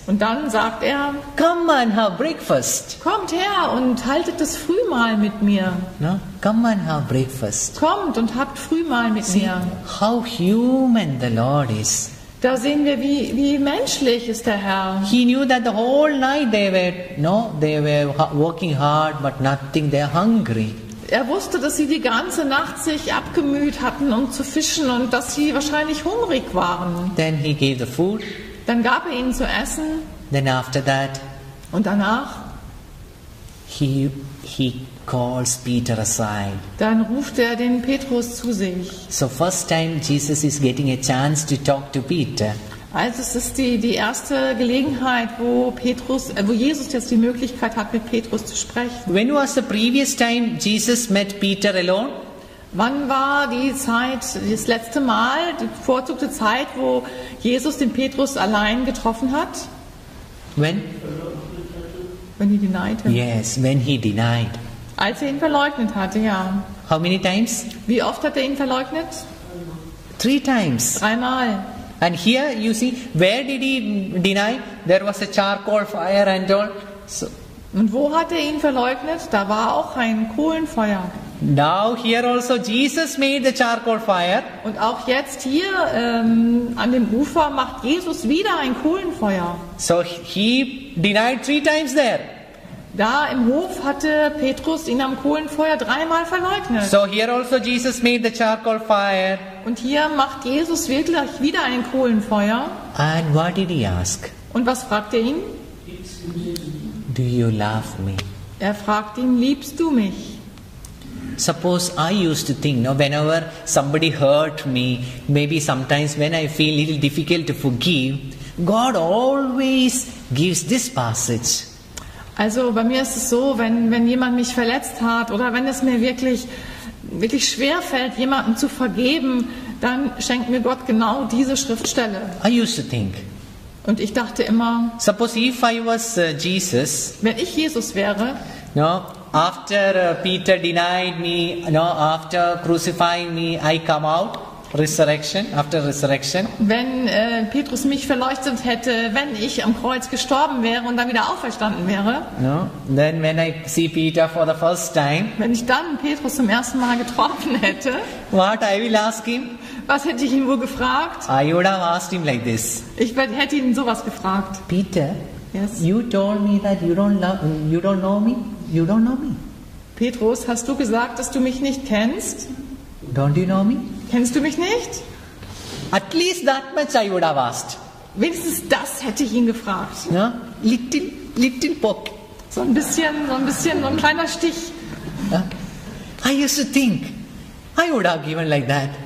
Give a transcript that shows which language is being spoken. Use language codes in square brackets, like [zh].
[de] Und dann sagt er, [en] come and have breakfast. [de] Kommt her und haltet das Frühmahl mit mir. [en] No? Come and have breakfast. [de] Kommt und habt Frühmahl mit mir. [en] How human the Lord is. [de] Da sehen wir, wie menschlich ist der Herr. [en] He knew that the whole night they were working hard, but nothing, they're hungry. [de] Er wusste, dass sie die ganze Nacht sich abgemüht hatten, um zu fischen, und dass sie wahrscheinlich hungrig waren. [en] Then he gave the food. [de] Dann gab er ihnen zu essen. [en] Then after that. [de] Und danach. [en] He calls Peter aside. [de] Dann ruft er den Petrus zu sich. [en] So first time Jesus is getting a chance to talk to Peter. [de] Also es ist die erste Gelegenheit, wo Jesus jetzt die Möglichkeit hat, mit Petrus zu sprechen. [en] When was the previous time Jesus met Peter alone? [de] Wann war die Zeit, das letzte Mal, die bevorzugte Zeit, wo Jesus den Petrus allein getroffen hat? [en] When? When he denied him. Yes, when he denied. [de] Als er ihn verleugnet hatte, ja. [en] How many times? [de] Wie oft hat er ihn verleugnet? [en] Three times. [de] Dreimal. [en] And here you see, where did he deny? There was a charcoal fire and all. [de] So, und wo hat er ihn verleugnet? Da war auch ein Kohlenfeuer. [en] Now here also Jesus made the charcoal fire. [de] Und auch jetzt hier an dem Ufer macht Jesus wieder ein Kohlenfeuer. [en] So he denied three times there. [de] Da im Hof hatte Petrus ihn am Kohlenfeuer dreimal verleugnet. [en] So here also Jesus made the charcoal fire. [de] Und hier macht Jesus wirklich wieder ein Kohlenfeuer. [en] And what did he ask? [de] Und was fragt er ihn? [en] Do you love me? [de] Er fragt ihn, liebst du mich? [en] Suppose I used to think, no, whenever somebody hurt me, maybe sometimes when I feel a little difficult to forgive, God always gives this passage. [de] Also bei mir ist es so, wenn jemand mich verletzt hat oder wenn es mir wirklich, wirklich schwer fällt, jemanden zu vergeben, dann schenkt mir Gott genau diese Schriftstelle. [en] I used to think. [de] Und ich dachte immer, [en] suppose if I was Jesus, [de] wenn ich Jesus wäre, [en] no, after Peter denied me, no, after crucifying me, I come out. Resurrection, after resurrection. [de] Wenn Petrus mich verleuchtet hätte, wenn ich am Kreuz gestorben wäre und dann wieder auferstanden wäre. [en] No. Then when I see Peter for the first time. [de] Wenn ich dann Petrus zum ersten Mal getroffen hätte. [en] What I will ask him? [de] Was hätte ich ihn wohl gefragt? [en] I would have asked him like this. [de] Ich hätte ihn sowas gefragt. [en] Peter. Yes. You told me that you don't love, you don't know me. You don't know me. [de] Petrus, hast du gesagt, dass du mich nicht kennst? [en] Don't you know me? [de] Kennst du mich nicht? [en] At least that much I would have asked. [de] Wenigstens das hätte ich ihn gefragt. [en] Ja? Little poke. [de] So ein bisschen, so ein kleiner Stich. Ja? [en] I used to think I would have given like that.